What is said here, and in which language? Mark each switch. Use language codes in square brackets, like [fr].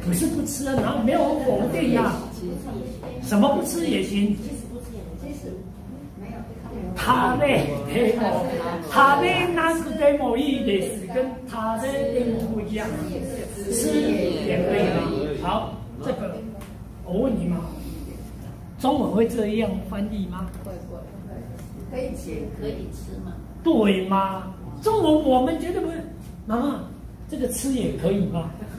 [zh] 不是不吃啊，哪没有否定啊？什么不吃也行？其实不吃也行，其实没有。 [ja] 食べてもいい、食べなくてもいいです。 [zh] 跟 [ja] 食べてもいい [zh] 不一样，吃也可以。好，这个我问你嘛，中文会这样翻译吗？会，可以吃吗？对吗？中文我们绝对不会。妈妈，这个吃也可以吗？